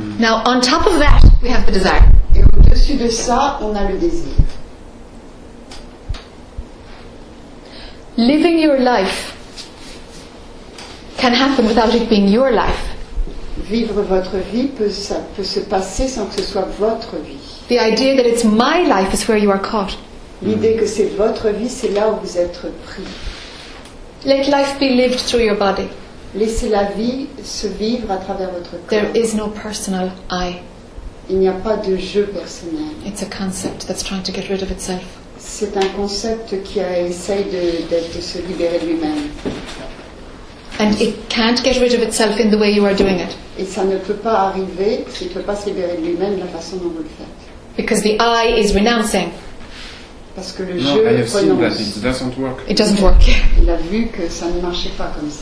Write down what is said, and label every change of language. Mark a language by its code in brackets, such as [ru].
[en] Now, on top of that, we have the desire. [fr] Et au-dessus de ça, on a le désir. [en] Living your life can happen without it being your life. [fr] Vivre votre vie peut se passer sans que ce soit votre vie. [en] The idea that it's my life is where you are caught. [fr] L'idée que c'est votre vie, c'est là où vous êtes pris. [en] Let life be lived through your body. [fr] Laissez la vie se vivre à travers votre corps. [en] There is no personal I. [fr] Il n'y a pas de je personnel. [en] It's a concept that's trying to get rid of itself. [fr] C'est un concept qui essaye de se libérer lui-même. [en] And it can't get rid of itself in the way you are doing it. [fr] Et ça ne peut pas arriver, il ne peut pas se libérer de lui-même de la façon dont vous le faites. [en] Because the I is renouncing. [fr] Parce que le [en] no, [fr] je [en] I have seen that it doesn't work. It doesn't work. [fr] Il a vu que ça ne marchait pas comme ça.